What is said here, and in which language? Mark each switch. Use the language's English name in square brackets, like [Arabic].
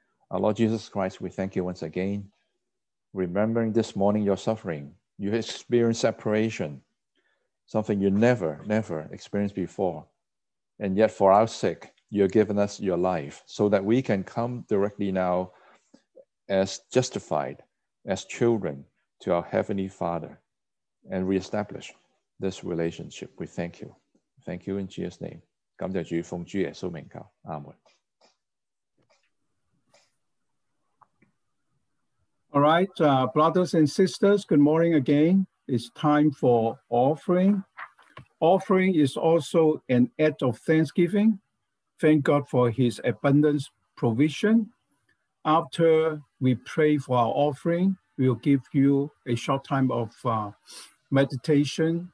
[English] Our Lord Jesus Christ, we thank you once again. Remembering this morning your suffering, you experienced separation, something you never, never experienced before. And yet for our sake, you have given us your life so that we can come directly now as justified, as children to our Heavenly Father and reestablish this relationship. We thank you. Thank you in Jesus' name. [Chinese] 感谢主，奉主耶稣名求，阿门。 [English] All right, brothers and sisters, good morning again. It's time for offering. Offering is also an act of thanksgiving. Thank God for His abundance provision. After we pray for our offering, we'll give you a short time of meditation.